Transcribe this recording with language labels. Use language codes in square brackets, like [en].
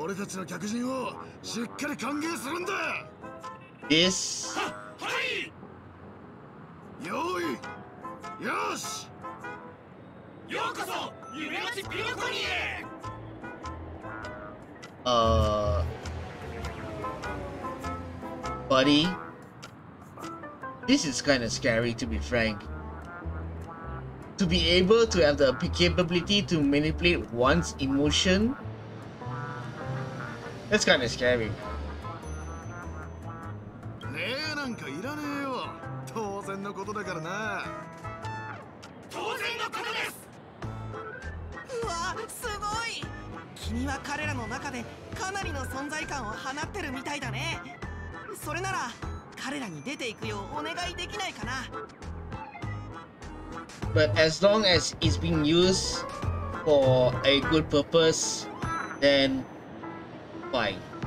[ja] 俺たちの客人をしっかり歓迎するんだ。 [en] Yes。 [ja] はい。よーい。よし。ようこそ夢の地ピノコニーへ。 [en] Buddy, this is kind of scary to be frank. To be able to have the capability to manipulate one's emotion, that's kind of scary. [ja] ねえなんかいらねえよ。当然のことだからな。当然のことです。うわ、すごい。君は彼らの中でかなりの存在感を放ってるみたいだね。それなら彼らに出ていくようお願いできないかな。 [en] But as long as it's being used for a good purpose, then fine.